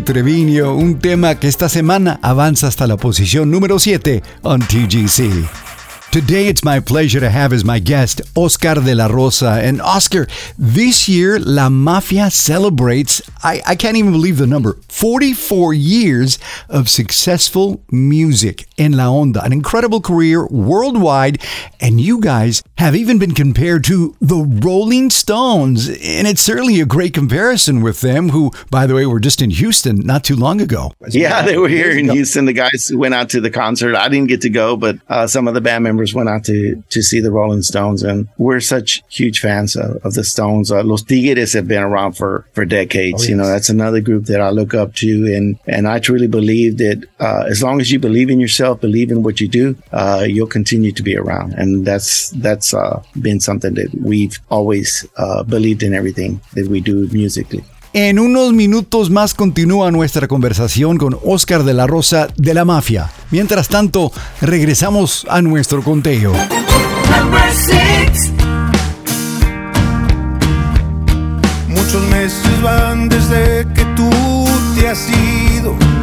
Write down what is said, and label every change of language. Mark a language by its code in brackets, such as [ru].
[es] Treviño, un tema que esta semana avanza hasta la posición número 7 [en] on TGC. Today it's my pleasure to have as my guest Oscar de la Rosa. And Oscar, this year La Mafia celebrates, I can't even believe the number, 44 years of successful music in La Onda. An incredible career worldwide, and you guys have even been compared to the Rolling Stones. And it's certainly a great comparison with them, who, by the way, were just in Houston not too long ago. Yeah, they were here in Houston. The guys went out to the concert. I didn't get to go, but some of the band members went out to see the Rolling Stones, and we're such huge fans of the Stones. Los Tigres have been around for decades. Oh, yes. You know, that's another group that I look up to, and I truly believe that as long as you believe in yourself, believe in what you do, you'll continue to be around. And that's been something that we've always believed in everything that we do musically. [es] En unos minutos más continúa nuestra conversación con Oscar de la Rosa de La Mafia. Mientras tanto, regresamos a nuestro conteo. Muchos meses van desde que tú te has ido.